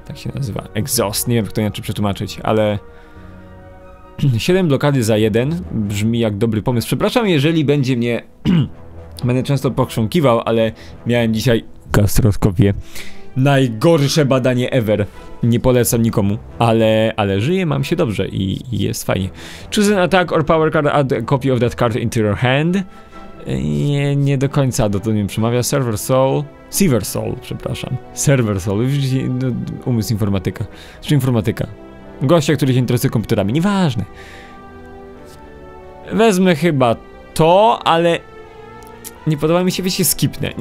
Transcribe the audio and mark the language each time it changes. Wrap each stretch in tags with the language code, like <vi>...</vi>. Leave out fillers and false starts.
<pl>Tak się nazywa, exhaust, nie wiem, jak to inaczej przetłumaczyć, ale 7 blokady za 1 brzmi jak dobry pomysł. Przepraszam, jeżeli będzie mnie będę często pokrząkiwał, ale miałem dzisiaj gastroskopię. Najgorsze badanie ever. Nie polecam nikomu, ale żyję, mam się dobrze i jest fajnie.</pl> <en>Choose an attack or power card, add a copy of that card into your hand.</en> <pl>Nie do końca do tego mi przemawia. Server soul. Seaver soul, przepraszam. Server soul, umysł informatyka. Czy informatyka? Gościa, który się interesuje komputerami, nieważne. Wezmę chyba to, ale nie podoba mi się, wiecie, skipnę.</pl>